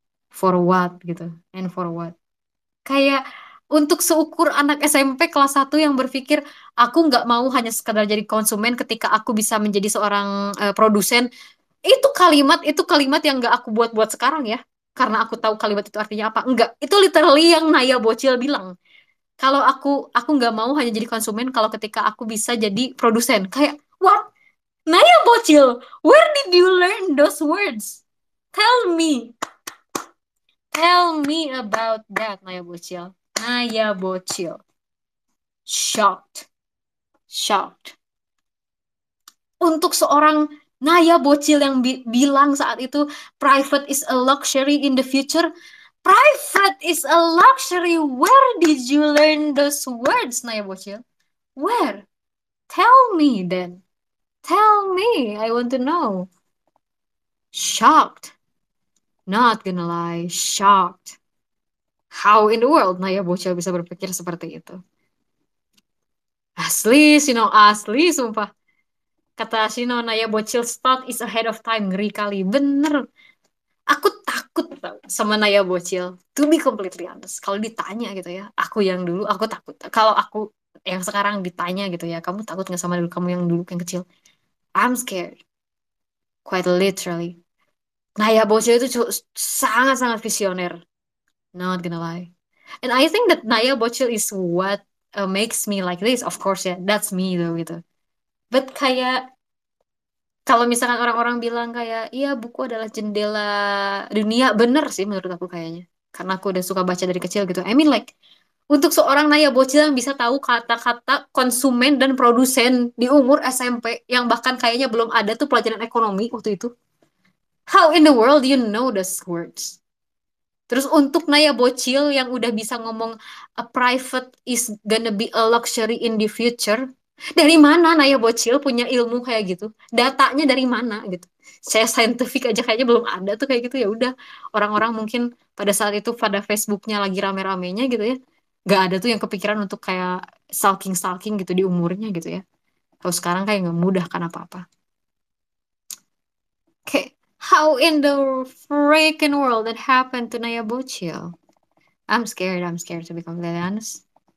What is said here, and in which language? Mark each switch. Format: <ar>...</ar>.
<en>for what</en> <id>gitu</id> <en>and for what</en> <id>kayak untuk seukur anak SMP kelas 1 yang berpikir aku nggak mau hanya sekedar jadi konsumen ketika aku bisa menjadi seorang produsen itu kalimat yang nggak aku buat-buat sekarang ya. Karena aku tahu kalimat itu artinya apa. Enggak. Itu literally yang Naya Bocil bilang. Kalau aku nggak mau hanya jadi konsumen kalau ketika aku bisa jadi produsen. Kayak,</id> <en>what? Naya bocil, where did you learn those words? Tell me about that, Naya bocil. Naya bocil. Shocked. Shocked.</en> <id>Untuk seorang Naya bocil yang bilang saat itu</id> <en>private is a luxury in the future, private is a luxury. Where did you learn those words, Naya bocil? Where? Tell me then. Tell me, I want to know. Shocked. Not gonna lie, shocked. How in the world Naya bocil</en> <id>bisa berpikir seperti itu? Asli, Shino, asli, sumpah.</id> <en>Kata Shino, Naya bocil's thought is ahead of time.</en> <id>Ngeri kali, bener. Aku takut sama Naya bocil.</id> <en>To be completely honest.</en> <id>Kalau ditanya gitu ya, aku yang dulu, aku takut. Kalau aku yang sekarang ditanya gitu ya, kamu takut gak sama dulu kamu yang dulu, yang kecil?</id> <en>I'm scared. Quite literally.</en> <id>Naya bocil itu sangat-sangat visioner.</id> <en>Not gonna lie. And I think that Naya bocil is what makes me like this, of course ya. Yeah. That's me though gitu. But</en> <id>kayak kalau misalkan orang-orang bilang kayak iya buku adalah jendela dunia, bener sih menurut aku kayaknya. Karena aku udah suka baca dari kecil gitu.</id> <en>I mean like</en> <id>untuk seorang Naya bocil yang bisa tahu kata-kata konsumen dan produsen di umur SMP yang bahkan kayaknya belum ada tuh pelajaran ekonomi waktu itu.</id> <en>How in the world do you know those words?</en> <id>Terus untuk Naya bocil yang udah bisa ngomong</id> <en>a private is gonna be a luxury in the future,</en> <id>dari mana Naya bocil punya ilmu kayak gitu? Datanya dari mana gitu? Saya scientific aja kayaknya belum ada tuh kayak gitu. Ya udah orang-orang mungkin pada saat itu pada Facebooknya lagi rame-ramenya gitu ya, nggak ada tuh yang kepikiran untuk kayak stalking-stalking gitu di umurnya gitu ya. Kalau sekarang kayak nggak mudah kan apa-apa. Kayak</id> <en>how in the freaking world that happened to Naya Bocil? I'm scared to be completely honest.</en>